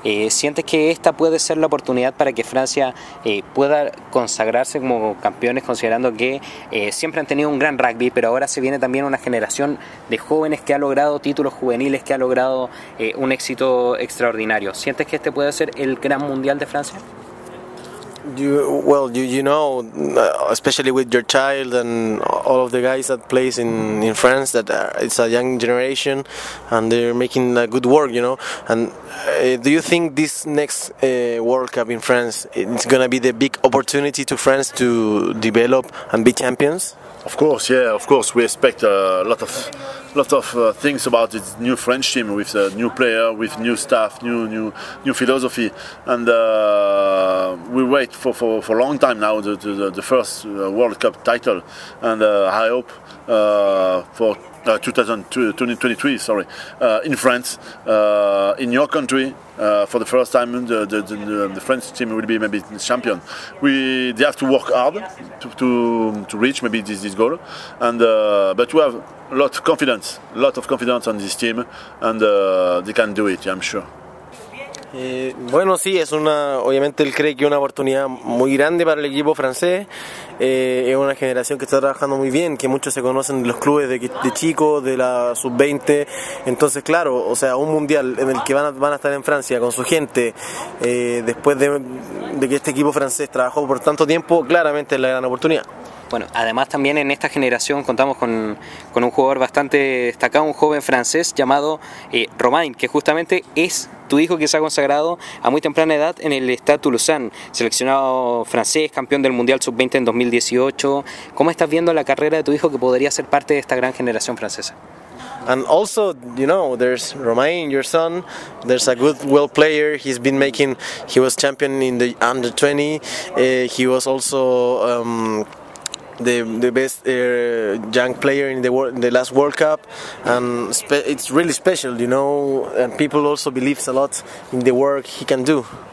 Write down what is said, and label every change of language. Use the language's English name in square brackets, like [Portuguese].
[Spanish] ¿Sientes que esta puede ser la oportunidad para que Francia pueda consagrarse como campeones, considerando que siempre han tenido un gran rugby, pero ahora se viene también una generación de jóvenes que ha logrado títulos juveniles, que ha logrado un éxito extraordinario? ¿Sientes que este puede ser el gran Mundial de Francia? [English] You know, especially with your child and all of the guys that plays in France, that it's a young generation, and they're making a good work, you know. And do you think this next World Cup in France, it's gonna be the big opportunity to France to develop and be champions? Of course, yeah. Of course, we expect a lot of things about this new French team, with a new player, with new staff, new philosophy, and we wait for a long time now the first World Cup title, and I hope for 2023, sorry, in France, in your country, for the first time, the French team will be maybe the champion. They have to work hard to reach maybe this goal, but we have a lot of confidence on this team, and they can do it, I'm sure. [Spanish] Bueno, sí, es una, obviamente él cree que es una oportunidad muy grande para el equipo francés. Es una generación que está trabajando muy bien, que muchos se conocen de los clubes de chicos, de la sub-20. Entonces, claro, o sea, un mundial en el que van a estar en Francia con su gente, después de que este equipo francés trabajó por tanto tiempo, claramente es la gran oportunidad. Bueno, además también en esta generación contamos con un jugador bastante destacado, un joven francés llamado Romain, que justamente es tu hijo, que se ha consagrado a muy temprana edad en el Stade Toulousain, seleccionado francés, campeón del Mundial Sub-20 en 2018. ¿Cómo estás viendo la carrera de tu hijo, que podría ser parte de esta gran generación francesa? [English] And also, you know, there's Romain, your son. There's a good world player. He's been making. He was champion in the under 20. He was also the best young player in the world, in the last World Cup, and it's really special, you know, and people also believe a lot in the work he can do.